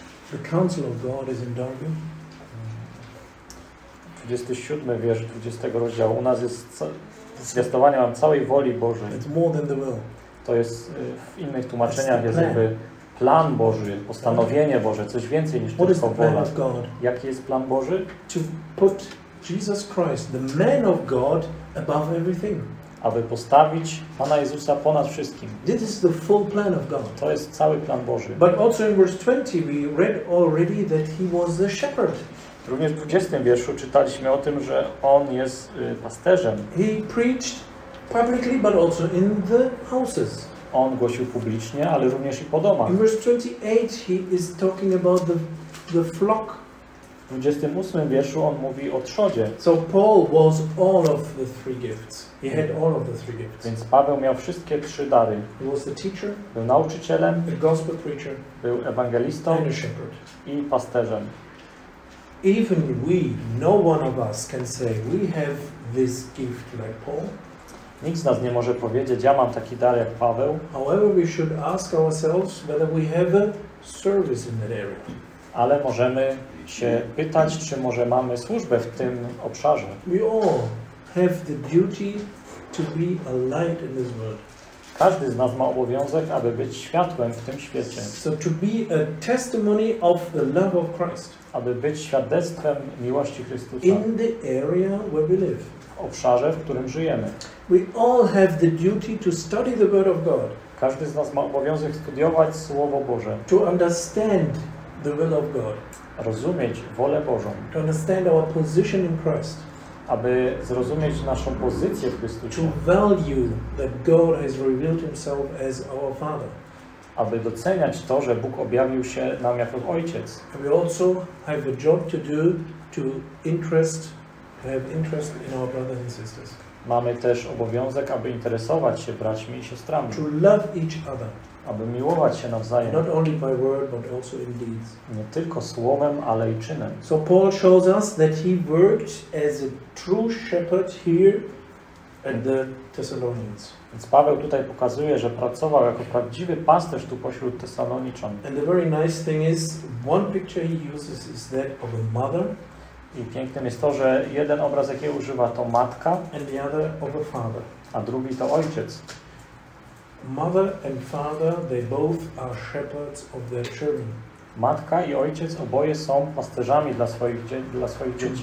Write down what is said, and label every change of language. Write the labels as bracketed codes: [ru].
[en] The council of God is in Darwin. [pl] 27 wiersz 20 rozdziału. U nas jest zwiastowanie wam całej woli Bożej. [en] It's more than the will. [pl] To jest w innych tłumaczeniach jest jakby plan Boży, postanowienie Boże, coś więcej niż tylko wola. Jaki jest plan Boży? [en] To put Jesus Christ, the man of God, above everything. [pl] Aby postawić Pana Jezusa ponad wszystkim. [en] This is the full plan of God. [pl] To jest cały plan Boży. [en] But also in verse 20 we read already that he was the shepherd. [pl] Również w 20 wierszu czytaliśmy o tym, że on jest pasterzem. [en] He preached publicly, but also in the houses. [pl] On głosił publicznie, ale również i po domach. [en] In verse 28 he is talking about the flock. [pl] W 28 wierszu on mówi o trzodzie. [en] So Paul was all of the three gifts. He had all of the three gifts. [pl] Więc Paweł miał wszystkie trzy dary. [en] He was the teacher, [pl] był nauczycielem, [en] the gospel preacher, [pl] był ewangelistą [en] and a shepherd. [pl] I pasterzem. [en] Even we, no one of us can say we have this gift like Paul. [pl] Nikt z nas nie może powiedzieć, ja mam taki dar jak Paweł. [en] However, we should ask ourselves whether we have a service in that area. [pl] Ale możemy się pytać, czy może mamy służbę w tym obszarze. [en] We all have the duty to be a light in this world. [pl] Każdy z nas ma obowiązek, aby być światłem w tym świecie. [en] So to be a testimony of the love of Christ. [pl] Aby być świadectwem miłości Chrystusa. [en] In the area where we live. [pl] W obszarze, w którym żyjemy. [en] We all have the duty to study the word of God. [pl] Każdy z nas ma obowiązek studiować Słowo Boże. [en] To understand the will of God. [pl] Rozumieć wolę Bożą. [en] To understand our position in Christ. [pl] Aby zrozumieć naszą pozycję w Chrystusie. [en] To value that God has revealed himself as our Father. [pl] Aby doceniać to, że Bóg objawił się nam jako Ojciec. [en] And we also have a job to do to interest, have interest in our brothers and sisters. [pl] Mamy też obowiązek, aby interesować się braćmi i siostrami. [en] To love each other. [pl] Aby miłować się nawzajem. [en] Not only by word, but also in deeds. [pl] Nie tylko słowem, ale i czynem. [en] So Paul shows us that he worked as a true shepherd here at the Thessalonians. [pl] Więc Paweł tutaj pokazuje, że pracował jako prawdziwy pasterz tu pośród Tesaloniczan. [en] And the very nice thing is, one picture he uses is that of a mother. [pl] I pięknym jest to, że jeden obraz, jaki używa, to matka, [en] and the other of a father. [pl] A drugi to ojciec. [en] Mother and father, they both are shepherds of their children. [pl] Matka i ojciec oboje są pasterzami dla swoich dzieci.